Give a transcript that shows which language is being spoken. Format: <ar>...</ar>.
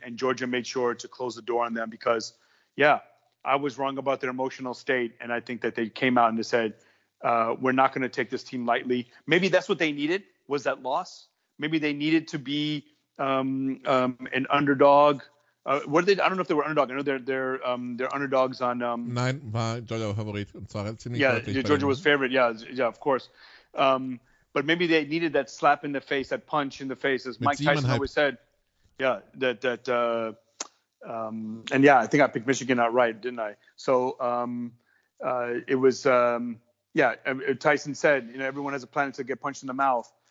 <en>And Georgia made sure to close the door on them because, yeah, I was wrong about their emotional state. And I think that they came out and they said, we're not going to take this team lightly. Maybe that's what they needed, was that loss. Maybe they needed to be an underdog What did they? I don't know if they were underdog. I know they're underdogs on.</en> <de>Nein, war Georgia Favorit, und zwar ziemlich deutlich.</de> <en>Yeah, Georgia was favorite. Yeah, of course. But maybe they needed that slap in the face, that punch in the face, as Mike Tyson always said. Yeah, and yeah, I think I picked Michigan outright, didn't I? So it was, Tyson said, you know, everyone has a plan to get punched in the mouth.</en>